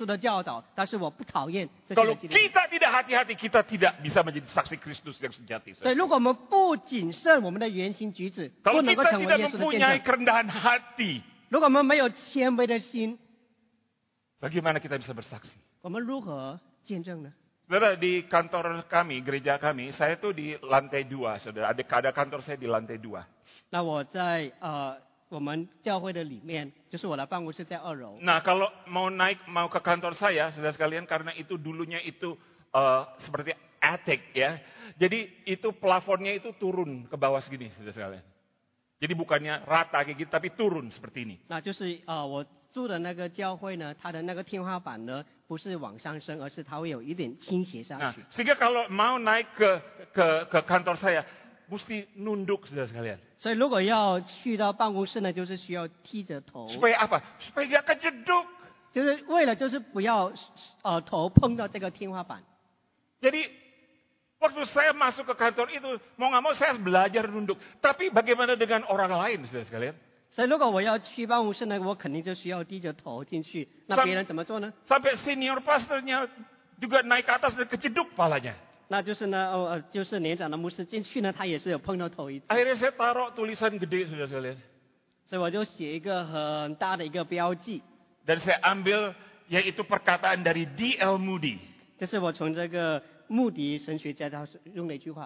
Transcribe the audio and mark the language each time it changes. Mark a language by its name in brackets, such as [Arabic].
[Chinese] 就是我爱耶稣基督跟耶稣的教导，但是我不讨厌这些基督徒。 [Indonesian] Kalau kita tidak hati-hati, kita tidak bisa menjadi saksi Kristus yang sejati. [Chinese] 所以如果我们不谨慎我们的言行举止, 不能够成为耶稣的见证。如果我们没有谦卑的心, 如果我们没有谦卑的心, [Indonesian] bagaimana kita bisa bersaksi? [Chinese] 我们如何见证呢? [Indonesian] Saudara, di kantor kami, gereja kami, saya tuh di lantai dua, saudara. Ada kantor saya di lantai dua. [Chinese] 那我在, 我们教会的里面, 就是我的办公室在二楼。 [Indonesian] Nah, kalau mau naik, mau ke kantor saya, saudara sekalian, karena itu dulunya itu seperti attic, ya. Jadi, itu plafonnya itu turun ke bawah segini, saudara sekalian. Jadi, bukannya rata kayak gitu, tapi turun seperti ini. [Chinese] Nah, 就是, 我住的那个教会呢, 它的那个天花板呢, 不是往上升, 而是它会有一点倾斜下去。 [Indonesian] Nah, sehingga kalau mau naik ke kantor saya, mesti nunduk, saudara sekalian. [Chinese] 所以如果要去到办公室呢, 就是需要踢着头。 [Indonesian] Supaya apa? Supaya gak kejeduk. [Chinese] 就是为了就是不要, 头碰到这个天花板。 [Indonesian] Jadi, waktu saya masuk ke kantor itu, mau gak mau saya belajar nunduk. Tapi bagaimana dengan orang lain, saudara sekalian? [Chinese] 所以如果我要去办公室呢, 我肯定就需要踢着头进去。那别人怎么做呢? [Indonesian] Sampai senior pastornya juga naik ke atas dan kejeduk palanya. [Chinese] 那就是呢，就是年长的牧师进去呢， 他也是有碰到头一次。 [Indonesian] Akhirnya saya taruh tulisan gede, saudara sekalian. [Chinese] 所以我就写一个很大的一个标记。 [Indonesian] Dan saya ambil yaitu perkataan dari D.L. Moody. [Chinese] 这是我从这个穆迪神学家他用的一句话。